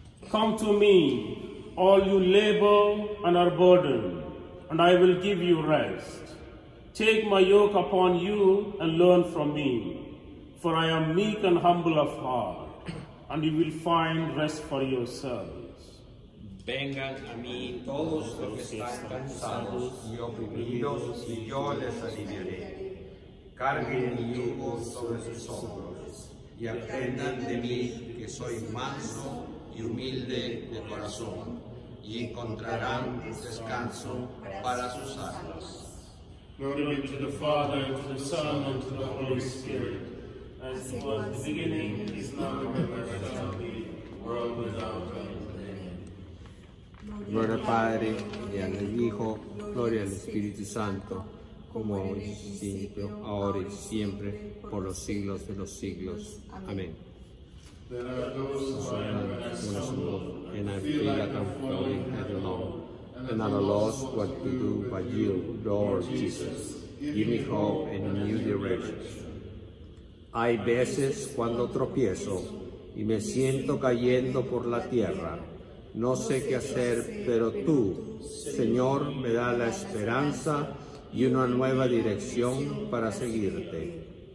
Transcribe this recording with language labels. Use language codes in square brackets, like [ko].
[en] Come to me, all you labor and are burdened, and I will give you rest. Take my yoke upon you and learn from me, for I am meek and humble of heart, and you will find rest for yourselves. [es] Vengan a mí todos los que están cansados y oprimidos, y yo les aliviaré. Carguen mi yugo sobre sus hombros y aprendan de mí que soy manso y humilde de corazón y encontrarán descanso para sus almas. [en] Glory be to the Father, and to the Son, and to the Holy Spirit, as it was in the beginning, is now, and ever shall be, world without end. Amen. [es] Gloria al Padre, y al Hijo, gloria al Espíritu Santo, como hoy, siempre, ahora y siempre, por los siglos de los siglos. Amén. [en] There are those who are in the soul, and I feel like I'm floating at the moment, and at a loss what to do, but you, Lord Jesus, give me hope and new directions. [es] Hay veces cuando tropiezo y me siento cayendo por la tierra. No sé qué hacer, pero tú, Señor, me da la esperanza y una nueva dirección para seguirte.